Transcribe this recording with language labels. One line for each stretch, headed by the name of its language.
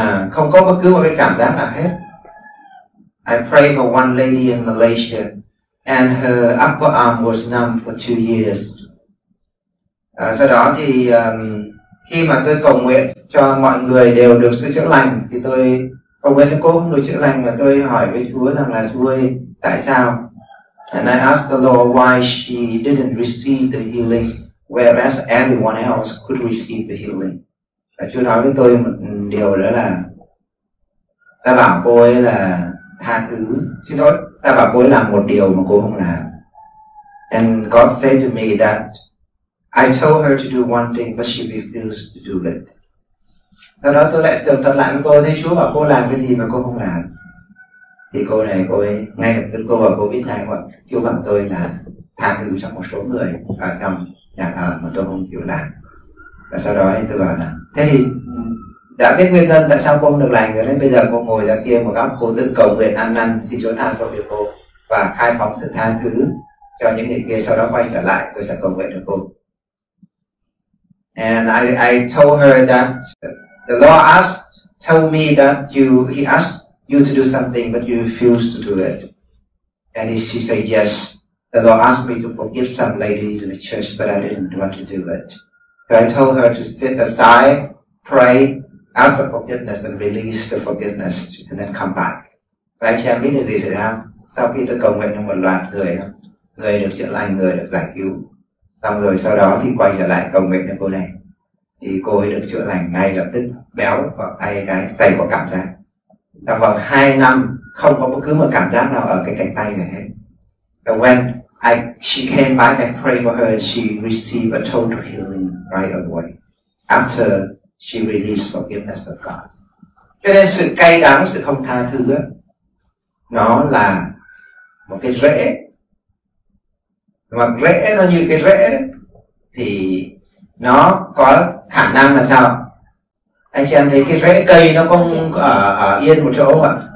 Vietnamese: Không có bất cứ một cái cảm giác nào hết.
English: I pray for one lady in Malaysia and her upper arm was numb for 2 years.
Vietnamese: Sau đó thì khi mà tôi cầu nguyện cho mọi người đều được sự chữa lành thì tôi cầu nguyện cho cô không được chữa lành và tôi hỏi với Chúa rằng là Chúa ơi, tại sao?
English: And I asked the Lord why she didn't receive the healing whereas everyone else could receive the healing.
Vietnamese: Và Chúa nói với tôi một điều đó là ta bảo cô ấy là tha thứ, xin lỗi, ta bảo cô ấy làm một điều mà cô không làm.
English: And God said to me that I told her to do one thing but she refused to do it.
Vietnamese: Sau đó tôi lại tưởng thật lại với cô, thấy Chúa bảo cô làm cái gì mà cô không làm. Thì cô này, cô ấy, ngay lập tức cô bảo cô biết ngay, Chúa bảo tôi là tha thứ cho một số người ở trong nhà thờ mà tôi không chịu làm. Và sau đó ấy, tôi bảo là, thế thì đã biết nguyên nhân tại sao cô không được lành rồi đấy. Bây giờ cô ngồi ra kia một góc, cô tự cầu nguyện ăn năn, xin Chúa tha cho cô và khai phóng sự tha thứ cho những người kia. Sau đó quay trở lại, tôi sẽ cầu nguyện cho cô.
English: And I told her that the Lord told me that he asked you to do something but you refused to do it. And she said yes. The Lord asked me to forgive some ladies in the church but I didn't want to do it. So I told her to sit aside, pray, ask for forgiveness and release the forgiveness and then come back.
Vietnamese: Và anh chị em biết điều gì xảy ra? Sau khi tôi cầu nguyện cho một loạt người, người được chữa lành, người được giải cứu. Xong rồi sau đó thì quay trở lại cầu nguyện cho cô này. Thì cô ấy được chữa lành ngay lập tức, béo và tay cái tay có cảm giác. Trong vòng 2 năm không có bất cứ một cảm giác nào ở cái cánh tay này hết.
English: But when she came back and prayed for her, she received a total healing right away after she released forgiveness of God.
Vietnamese: Cho nên sự cay đắng, sự không tha thứ đó, nó là một cái rễ. Mà rễ nó như cái rễ đó, thì nó có khả năng là sao? Anh chị em thấy cái rễ cây nó không ở yên một chỗ không ạ?